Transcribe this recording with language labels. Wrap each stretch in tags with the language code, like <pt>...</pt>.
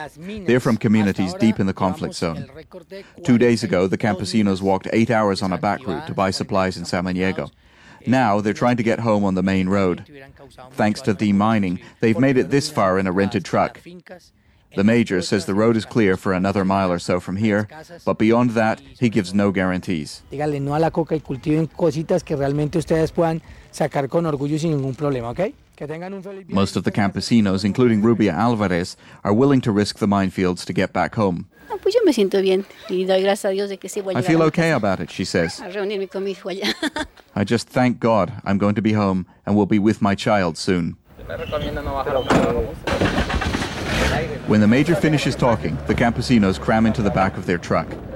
<en>They're from communities deep in the conflict zone. 2 days ago, the campesinos walked 8 hours on a back route to buy supplies in Samaniego. Now they're trying to get home on the main road. Thanks to demining, they've made it this far in a rented truck. The major says the road is clear for another mile or so from here, but beyond that, he gives no guarantees.</en> <es>Dígale no a la coca y cultiven cositas que realmente ustedes puedan sacar con orgullo sin ningún problema, ¿okay?</es> <en>Most of the campesinos, including Rubia Álvarez, are willing to risk the minefields to get back home.</en> <es>Pues yo me siento bien y doy gracias a Dios de que sí voy a llegar.</es> <en>I feel okay about it, she says.</en> <es>A reunirme con mi hijo allá.</es> <en>I just thank God I'm going to be home and will be with my child soon. When the major finishes talking, the campesinos cram into the back of their truck.</en>